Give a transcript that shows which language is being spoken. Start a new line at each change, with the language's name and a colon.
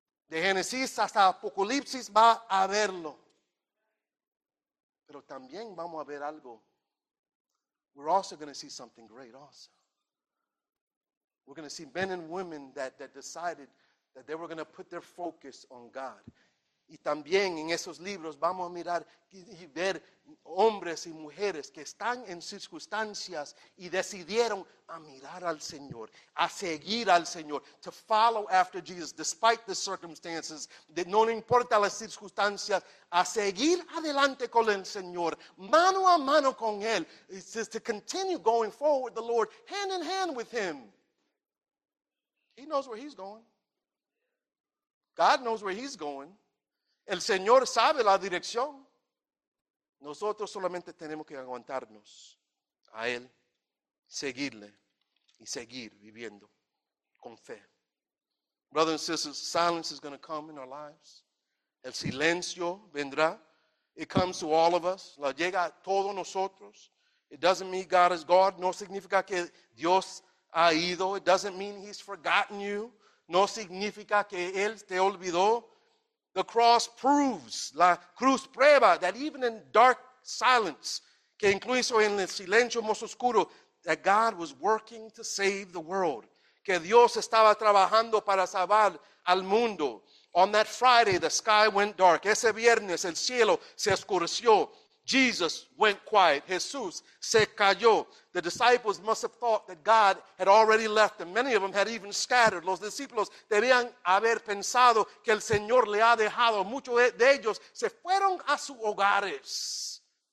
Spanish: De Génesis hasta Apocalipsis va a verlo. Pero también vamos a ver algo.
English: We're also going to see something great also. We're going to see men and women that decided that they were going to put their focus on God.
Spanish: Y también en esos libros vamos a mirar y ver hombres y mujeres que están en circunstancias y decidieron a mirar al Señor, a seguir al Señor,
English: to follow after Jesus despite the circumstances,
Spanish: de no importa las circunstancias, a seguir adelante con el Señor, mano a mano con Él.
English: It says to continue going forward with the Lord, hand in hand with Him. He knows where He's going. God knows where He's going.
Spanish: El Señor sabe la dirección. Nosotros solamente tenemos que aguantarnos a Él, seguirle y seguir viviendo con fe.
English: Brothers and sisters, silence is going to come in our lives.
Spanish: El silencio vendrá.
English: It comes to all of us.
Spanish: La llega a todos nosotros.
English: It doesn't mean God is God.
Spanish: No significa que Dios ha ido.
English: It doesn't mean He's forgotten you.
Spanish: No significa que Él te olvidó.
English: The cross proves,
Spanish: la cruz prueba,
English: that even in dark silence,
Spanish: que incluso en el silencio más oscuro,
English: that God was working to save the world.
Spanish: Que Dios estaba trabajando para salvar al mundo.
English: On that Friday, the sky went dark.
Spanish: Ese viernes, el cielo se oscureció.
English: Jesus went quiet.
Spanish: Jesús se cayó.
English: The disciples must have thought that God had already left them. Many of them had even scattered.
Spanish: Los discípulos debían haber pensado que el Señor le ha dejado. Muchos de ellos se fueron a sus hogares.